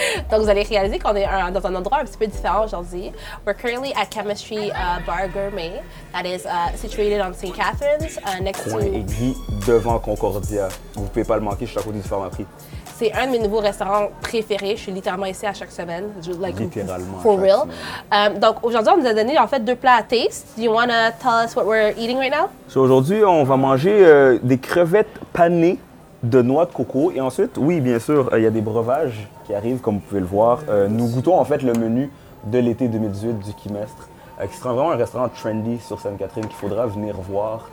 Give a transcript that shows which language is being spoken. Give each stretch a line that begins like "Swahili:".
French: Donc vous allez réaliser qu'on est dans un endroit un petit peu différent aujourd'hui.
English: We're currently at Chemistry Bar Gourmet, that is situated on St. Catharines, next
French: coin Coin et Guy, devant Concordia. Vous pouvez pas le manquer, je suis à côté du pharmacie. C'est un de mes nouveaux restaurants préférés. Je suis littéralement ici à chaque semaine. Like, littéralement.
English: For real.
French: Donc aujourd'hui, on nous a donné en fait deux plats à taste.
English: Do you want to tell us what we're eating right now?
French: So, aujourd'hui, on va manger des crevettes panées de noix de coco. Et ensuite, oui, bien sûr, il y a des breuvages qui arrivent, comme vous pouvez le voir. Nous goûtons en fait le menu de l'été 2018 du Kimestre, qui sera vraiment un restaurant trendy sur Sainte-Catherine qu'il faudra venir voir.